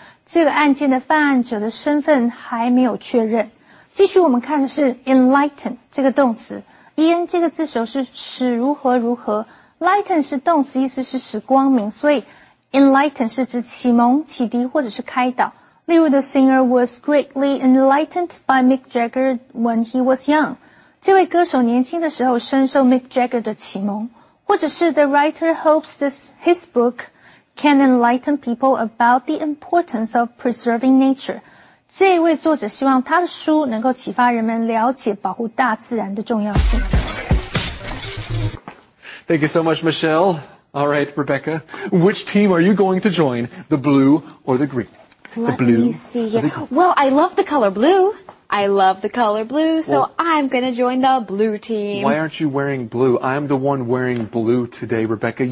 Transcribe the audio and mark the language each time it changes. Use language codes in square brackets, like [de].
[zh] 这个案件的犯案者的身份还没有确认继续我们看的是 enlighten 这个动词 en 这个字首是使如何如何 lighten 是动词意思是使光明所以 enlighten 是指启蒙启迪或者是开导例如 [en] the singer was greatly enlightened by Mick Jagger when he was young. [zh] 这位歌手年轻的时候深受 Mick Jagger 的启蒙。或者是 [en] the writer hopes his book can enlighten people about the importance of preserving nature. [zh] 这位作者希望他的书能够启发人们了解保护大自然的重要性。 [en] Thank you so much, Michelle. All right, Rebecca, which team are you going to join, the blue or the green? Let me see. Well, I love the color blue. I love the color blue, so well, I'm going to join the blue team. Why aren't you wearing blue? I'm the one wearing blue today, Rebecca.